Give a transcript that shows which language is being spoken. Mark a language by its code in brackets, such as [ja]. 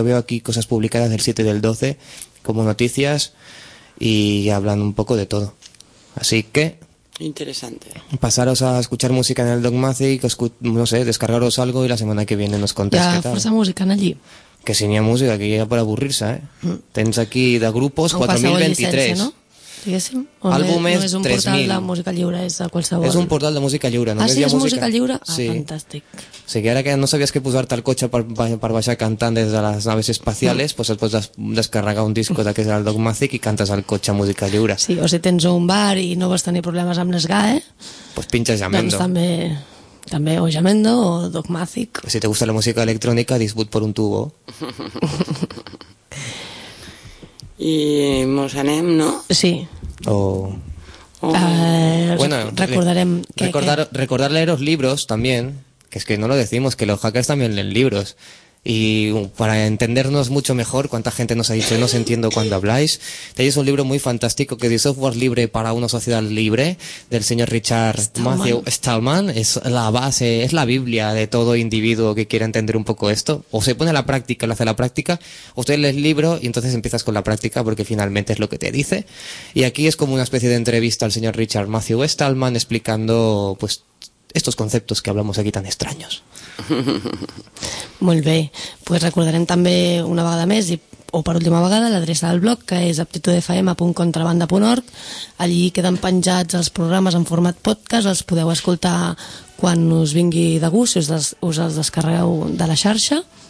[es] Yo veo aquí cosas publicadas del 7 del 12 como noticias y hablan un poco de todo. Así que... Interesante. Pasaros a escuchar música en el Dogmatic, no sé, descargaros algo y la semana que viene nos contéis qué tal. Ya, fuerza música en allí. Que si ni a música, que ya para aburrirse, ¿eh? [ca] Tens aquí de grupos 4023. Diguéssim, [es] álbumes, [ca] no és un 3.000. Portal de música lliure, és de qualsevol. És un portal de música lliure. Ah, sí, és música lliure? Ah, sí. Fantàstic. O sigui, ara que no sabies que posar-te al cotxe per baixar cantant des de les naves espacials, doncs pots descarregar un disco d'aquest del Dogmatic i cantes al cotxe música lliure. Sí, o si tens un bar i no vols tenir problemes amb les GAE, pues pinxes Jamendo. Doncs també o Jamendo o Dogmatic. [es] Si te gusta la música electrònica, disbut por un tubo. [ca] I mos anem, no? Sí. o... [es] Bueno, recordar los libros también, que es que no lo decimos, que los hackers también leen libros. Y para entendernos mucho mejor, cuánta gente nos ha dicho, no os entiendo cuando habláis, tenéis un libro muy fantástico que es de Software Libre para una Sociedad Libre, del señor Richard Matthew Stallman. Es la base, es la Biblia de todo individuo que quiera entender un poco esto. O se pone a la práctica, lo hace a la práctica, o usted lee el libro y entonces empiezas con la práctica porque finalmente es lo que te dice. Y aquí es como una especie de entrevista al señor Richard Matthew Stallman explicando, pues, estos conceptos que hablamos aquí tan extraños. [ca] Molt bé, pues recordarem també una vegada més i, o per última vegada, l'adreça del blog, que és aptitudfm.contrabanda.org. Allí queden penjats els programes en format podcast, els podeu escoltar quan us vingui de gust, si us els descarregueu de la xarxa.